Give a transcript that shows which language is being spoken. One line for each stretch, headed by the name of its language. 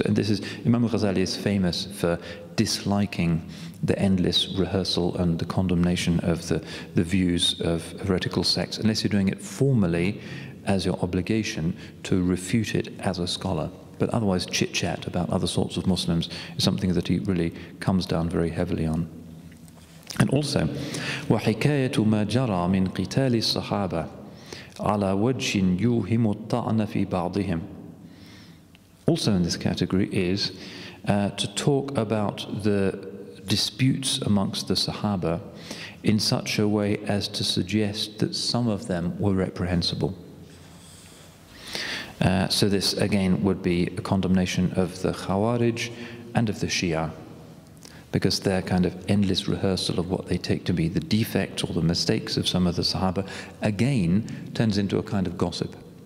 English: And this is, Imam Ghazali is famous for disliking the endless rehearsal and the condemnation of the views of heretical sects, unless you're doing it formally as your obligation to refute it as a scholar. but otherwise chit-chat about other sorts of Muslims is something that he really comes down very heavily on. And also,
Arabic: وَحِكَايَةُ مَا جَرَى مِنْ قِتَالِ الصَّحَابَةِ عَلَى وَجْشٍ يُوهِمُ الطَّعْنَ فِي بَعْضِهِمْ.
English: Also in this category is to talk about the disputes amongst the Sahaba in such a way as to suggest that some of them were reprehensible. So this again would be a condemnation of the Khawarij and of the Shia, because their kind of endless rehearsal of what they take to be the defects or the mistakes of some of the Sahaba again turns into a kind of gossip.